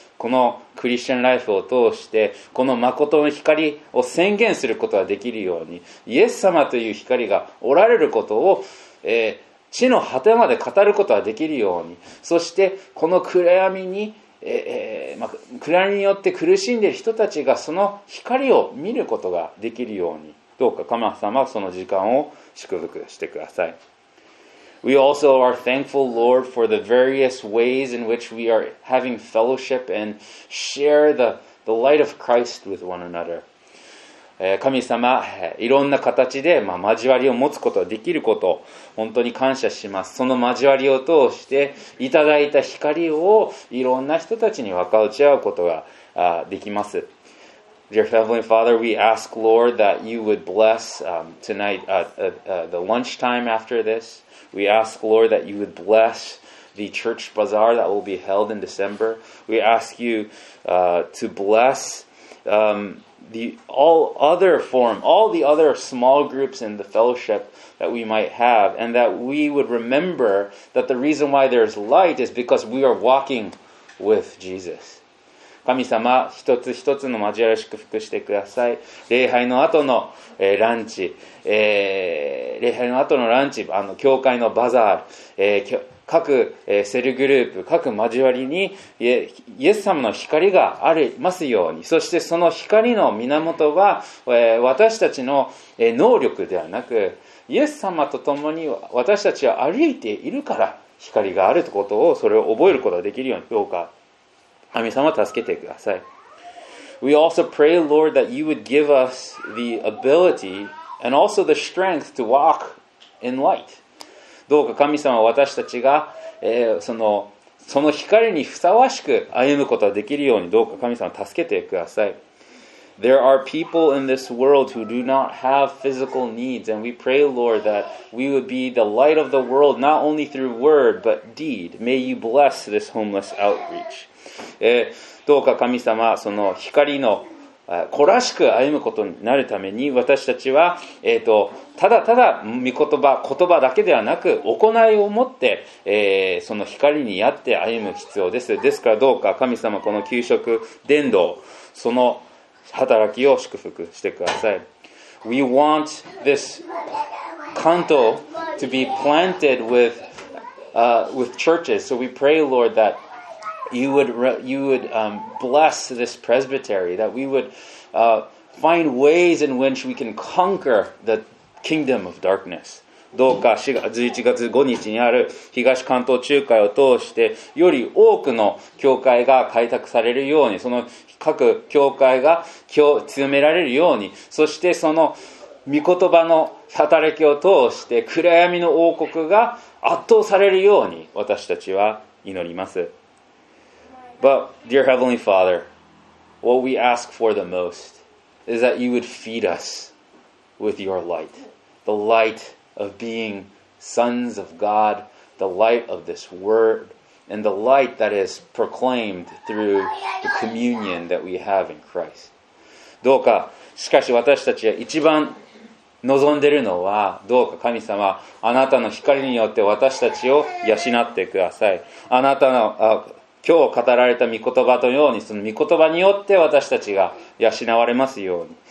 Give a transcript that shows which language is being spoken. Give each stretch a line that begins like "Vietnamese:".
Japanese: このクリスチャンライフを通して、この誠の光を宣言することができるように、イエス様という光がおられることを、地の果てまで語ることができるように、そしてこの暗闇に、暗闇によって苦しんでいる人たちがその光を見ることができるようにどうか神様その時間を祝福してください。
English: We also are thankful, Lord, for the various ways in which we are having fellowship and share the light of Christ with one another.
Japanese: 神様、いろんな形で、交わりを持つことができること本当に感謝します。その交わりを通していただいた光をいろんな人たちに分かち合うことができます。
English: Dear Heavenly Father, we ask, Lord, that you would bless tonight, the lunchtime after this. We ask, Lord, that you would bless the church bazaar that will be held in December. We ask you to bless all the other small groups in the fellowship that we might have, and that we would remember that the reason why there's light is because we are walking with Jesus.
Japanese: 神様、一つ一つの交わりを祝福してください。礼拝の後の、ランチ、礼拝の後のランチ、教会のバザール、各、セルグループ、各交わりにイエス様の光がありますように、そしてその光の源は、私たちの、能力ではなく、イエス様と共に私たちは歩いているから光があるということを、それを覚えることができるようにどうか、神様助けてください。
English: We also pray, Lord, that you would give us the ability and also the strength to walk in light.
Japanese: どうか神様は私たちが、その光にふさわしく歩むことができるようにどうか神様助けてください。
English: There are people in this world who do not have physical needs, and we pray, Lord, that we would be the light of the world, not only through word, but deed. May you bless this homeless outreach.
Japanese: どうか神様、その光の懲らしく歩むことになるために私たちは、ただただ御言葉、言葉だけではなく行いを持って、その光にやって歩む必要です。ですからどうか神様この給食伝道その働きを祝福してください。
English: We want this canto to be planted with churches, so we pray, Lord, thatYou would bless this presbytery, that we would find ways in which we can conquer the kingdom of darkness.
Japanese: どうか11月5日にある東関東中会を通してより多くの教会が開拓されるように、その各教会が強められるように、そしてその御言葉の働きを通して暗闇の王国が圧倒されるように私たちは祈ります。
English: But dear Heavenly Father, what we ask for the most is that you would feed us with your light, the light of being sons of God, the light of this word, and the light that is proclaimed through the communion that we have in Christ.
Japanese: どうか、しかし私たちは一番望んでいるのは、どうか神様、あなたの光によって私たちを養ってください。あなたの今日語られた御言葉のように、その御言葉によって私たちが養われますように。